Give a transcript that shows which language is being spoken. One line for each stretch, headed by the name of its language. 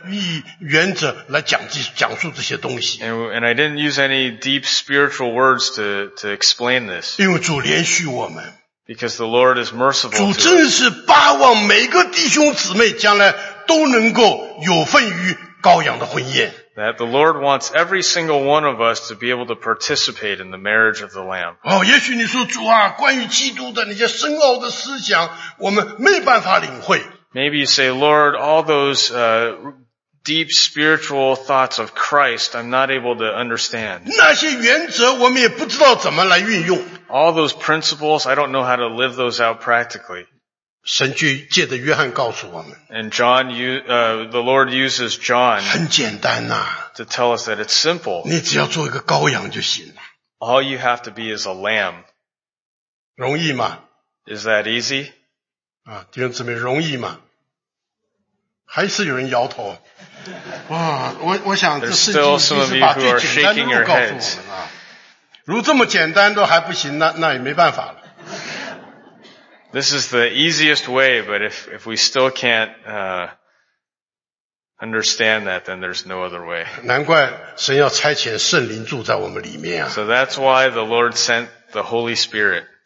Chinese: 我没有用很深奥的一些属灵的原则来讲述这些东西。
English: And I didn't use any deep spiritual words to explain this.
Chinese: 因为主怜恤我们。
English: Because the Lord is merciful.
Chinese: 主真是巴望每个弟兄姊妹将来都能够有份于羔羊的婚宴。
English: That the Lord wants every single one of us to be able to participate in the marriage of the Lamb.
Chinese: 也许你说主啊，关于基督的那些深奥的思想，我们没办法领会。
English: Maybe you say, Lord, all those deep spiritual thoughts of Christ, I'm not able to understand.
Chinese: 那些原则我们也不知道怎么来运用。
English: All those principles, I don't know how to live those out practically.
Chinese: 神就借着约翰告诉我们,
English: and John, the Lord uses John
Chinese: 很简单啊,
English: to tell us that it's simple.
Chinese: 你只要做一个羔羊就行了。
English: All you have to be is a lamb.
Chinese: 容易吗?
English: Is that easy?
Chinese: 啊, 弟兄姊妹,容易吗?还是有人摇头。我想这圣经只是把最简单的路告诉我们啊。如这么简单都还不行,那也没办法了。
English: This is the easiest way, but if we still can't understand that, then there's no other way.
Chinese: 难怪神要差遣圣灵住在我们里面啊。
English: So that's why the Lord sent the Holy Spirit.